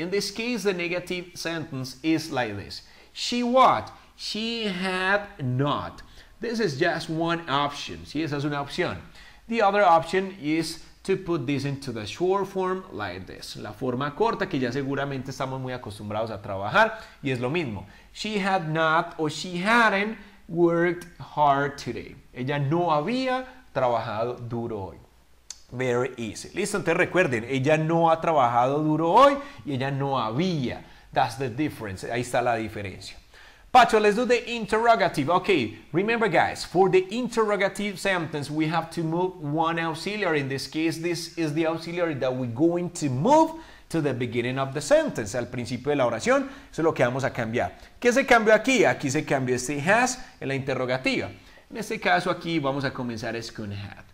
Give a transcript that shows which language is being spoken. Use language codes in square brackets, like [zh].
[en] In this case, the negative sentence is like this. She what? She had not. This is just one option. [es] Sí, esa es una opción. [en] The other option is to put this into the short form like this. [es] La forma corta que ya seguramente estamos muy acostumbrados a trabajar y es lo mismo. [en] She had not or she hadn't worked hard today. [es] Ella no había trabajado duro hoy. [en] Very easy. [es] Listo, entonces recuerden, ella no ha trabajado duro hoy y ella no había. [en] That's the difference. [es] Ahí está la diferencia. [en] Pacho, let's do the interrogative. Okay, remember guys, for the interrogative sentence, we have to move one auxiliary. In this case, this is the auxiliary that we're going to move to the beginning of the sentence. [es] Al principio de la oración, eso es lo que vamos a cambiar. ¿Qué se cambió aquí? Aquí se cambió este has en la interrogativa. En este caso aquí vamos a comenzar es con had.